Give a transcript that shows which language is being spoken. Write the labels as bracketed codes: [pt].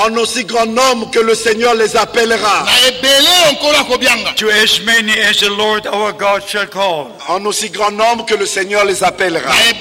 [fr] En aussi grand nombre que le Seigneur les appellera. [en] To as many as the Lord our God shall call. [fr] En aussi grand nombre que le Seigneur les appellera.